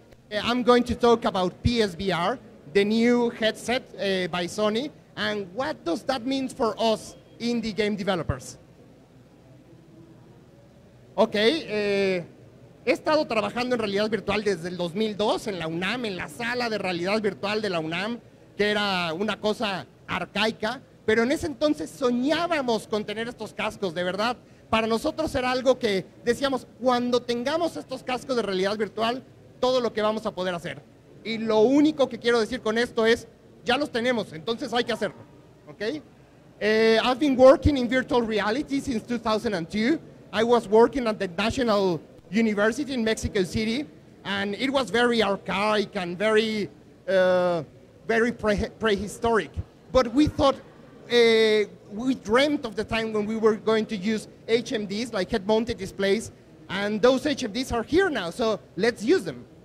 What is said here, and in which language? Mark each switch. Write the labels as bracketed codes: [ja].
[en] I'm going to talk about PSVR, the new headset by Sony, and what does that mean for us indie game developers. [es] Ok, he estado trabajando en realidad virtual desde el 2002 en la UNAM, en la sala de realidad virtual de la UNAM, que era una cosa arcaica, pero en ese entonces soñábamos con tener estos cascos, de verdad. Para nosotros era algo que decíamos, cuando tengamos estos cascos de realidad virtual, todo lo que vamos a poder hacer. Y lo único que quiero decir con esto es, ya los tenemos, entonces hay que hacerlo. [en] Ok, I've been working in virtual reality since 2002. I was working at the National University in Mexico City, and it was very archaic and very very prehistoric. But we thought, we dreamt of the time when we were going to use HMDs, like head-mounted displays, and those HMDs are here now, so let's use them.